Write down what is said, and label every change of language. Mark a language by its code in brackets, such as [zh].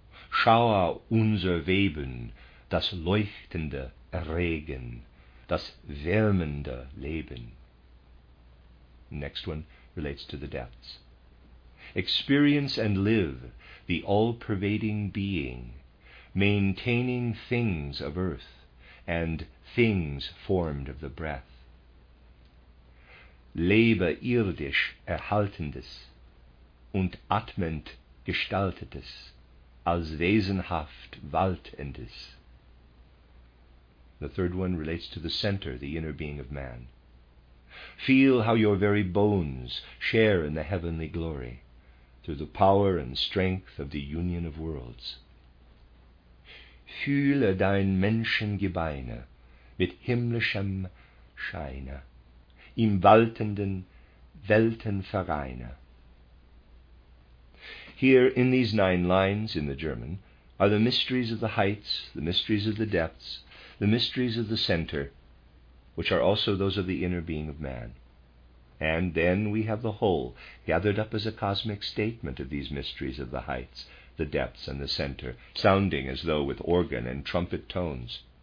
[de] Schaue unser Weben, das leuchtende Erregen, das wärmende Leben. [en] Next one relates to the depths. Experience and live the all-pervading being, maintaining things of earth and things formed of the breath. [de] Lebe irdisch erhaltendes und atmend gestaltetes als wesenhaft waltendes. [en] The third one relates to the center, the inner being of man. Feel how your very bones share in the heavenly glory through the power and strength of the union of worlds. [de] Fühle dein Menschengebeine mit himmlischem Scheine im waltenden Weltenvereine. [en] Here, in these nine lines in the German, are the mysteries of the heights, the mysteries of the depths, the mysteries of the center, which are also those of the inner being of man. And then we have the whole, gathered up as a cosmic statement of these mysteries of the heights, the depths and the center, sounding as though with organ and trumpet tones.